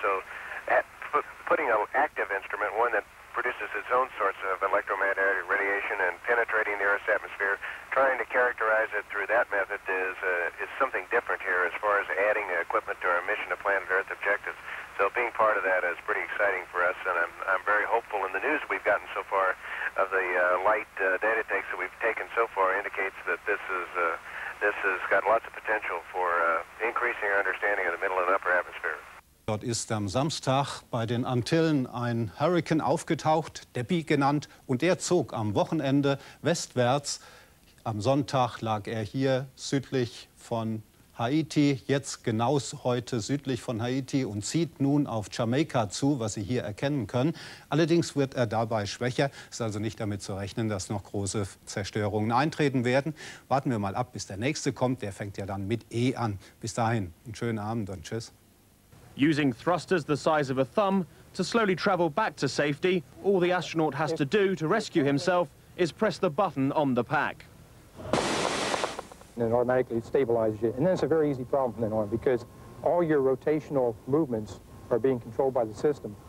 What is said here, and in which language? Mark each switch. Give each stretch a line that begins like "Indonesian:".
English: So putting an active instrument, one that produces its own sorts of electromagnetic radiation and penetrating the Earth's atmosphere, trying to characterize it through that method is something different here as far as adding equipment to our mission to planet Earth objectives. So being part of that is pretty exciting for us, and I'm very hopeful in the news we've gotten so far of the light data takes that we've taken so far indicates that this has got lots of potential for increasing our understanding of the middle and upper atmosphere.
German: Dort ist am Samstag bei den Antillen ein Hurrikan aufgetaucht, Debbie genannt, und der zog am Wochenende westwärts. Am Sonntag lag er hier südlich von Haiti, jetzt genau heute südlich von Haiti und zieht nun auf Jamaika zu, was Sie hier erkennen können. Allerdings wird er dabei schwächer. Es ist also nicht damit zu rechnen, dass noch große Zerstörungen eintreten werden. Warten wir mal ab, bis der nächste kommt. Der fängt ja dann mit E an. Bis dahin, einen schönen Abend und tschüss.
English: Using thrusters the size of a thumb to slowly travel back to safety, all the astronaut has to do to rescue himself is press the button on the pack. And it automatically stabilizes you. And then it's a very easy problem from then on because all your rotational movements are being controlled by the system.